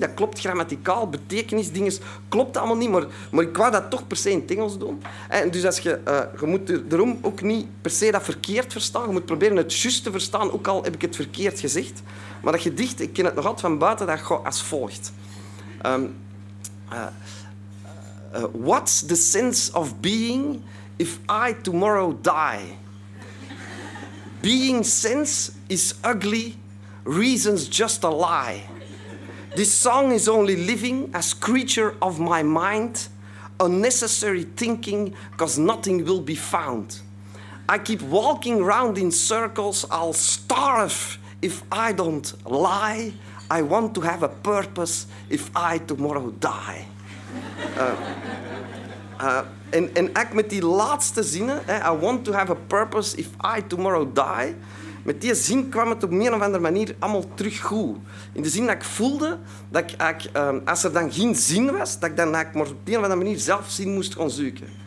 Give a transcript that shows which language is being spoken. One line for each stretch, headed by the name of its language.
Dutch: Dat klopt grammaticaal, betekenisdinges. Klopt allemaal niet, maar ik wou dat toch per se in het Engels doen. En dus als je moet daarom ook niet per se dat verkeerd verstaan. Je moet proberen het juist te verstaan, ook al heb ik het verkeerd gezegd. Maar dat gedicht, ik ken het nog altijd van buiten, dat gaat als volgt.
English: What's the sense of being... If I tomorrow die, being sense is ugly, reason's just a lie. This song is only living as creature of my mind, unnecessary thinking, 'cause nothing will be found. I keep walking round in circles, I'll starve if I don't lie. I want to have a purpose if I tomorrow die.
Dutch: En eigenlijk met die laatste zinnen,
English: I want to have a purpose if I tomorrow die,
Dutch: met die zin kwam het op een of andere manier allemaal terug goed. In de zin dat ik voelde dat ik eigenlijk, als er dan geen zin was, dat ik dan eigenlijk maar op een of andere manier zelf zin moest gaan zoeken.